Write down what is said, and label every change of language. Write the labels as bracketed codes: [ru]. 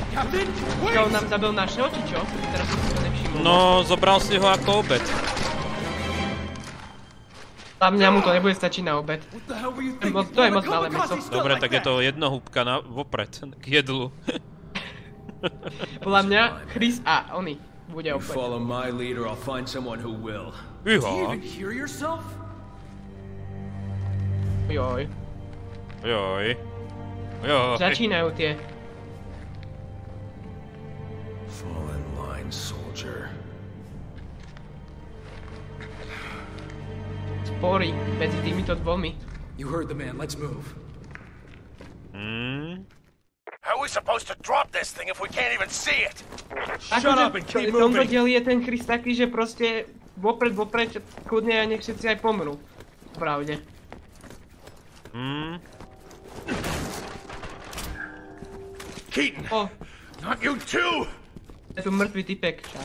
[sk] Čo, on nám zabil našeho, či čo? Teraz som si to nevšimol. No, zobral si ho ako obed. Za mňa mu to nebude stačiť na obed. To je moc malé meso. Dobre, tak je to jedna húbka vopred, k jedlu. Podľa mňa Chris a oni bude opäť. [en] Follow my leader, I'll find someone who will. Iho. Do you even hear yourself? [sk] Joj. Začínajú tie. [en] Fall in line, soldier. [sk] Spory medzi týmito dvomi. [en] You heard the man, let's move. How are we supposed to drop this thing if we can't even see it? Shut up and keep moving. [sk] Tomto dieli je ten Chris taký, že proste vopred kľudne a nech všetci aj pomrú. Pravde. Keaton. [en] Oh. Not you too. [sk] Je tu mŕtvý typek.